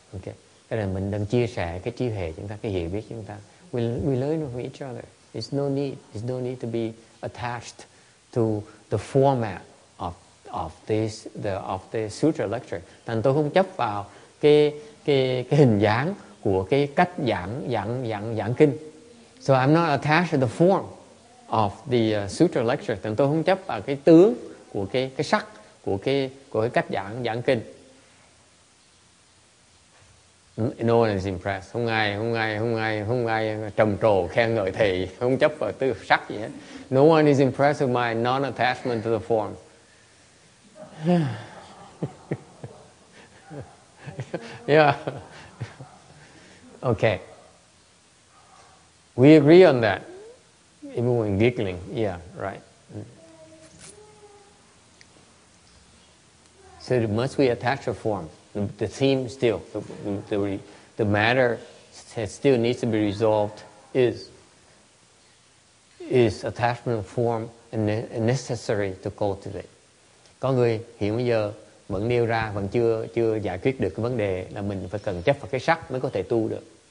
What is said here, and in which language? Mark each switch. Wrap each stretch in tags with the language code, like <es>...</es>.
<vi>Okay, cái này mình đang chia sẻ cái trí hệ chúng ta, cái hiểu biết chúng ta.</vi> <en>We learn from each other. It's no need to be attached to the format of of this the of the sutra lecture.</en> <vi>Thành tôi không chấp vào cái hình dáng của cái cách giảng kinh.</vi> <en>So I'm not attached to the form of the sutra lecture.</en> <vi>Thành tôi không chấp vào cái tướng của cái sắc của cái cách giảng kinh.</vi> <en>No one is impressed.</en> <vi>Không ai trầm trồ khen ngợi thầy, không chấp vào tư sắc gì hết.</vi> <en>No one is impressed with my non-attachment to the form. Yeah. Okay. We agree on that. Even when giggling. Yeah, right. So must we attach a form? The theme still, the matter that still needs to be resolved is attachment form necessary to cultivate?</en> <vi>Có người hiện bây giờ vẫn nêu ra vẫn chưa giải quyết được cái vấn đề là mình phải cần chấp vào cái sắc mới có thể tu được.</vi>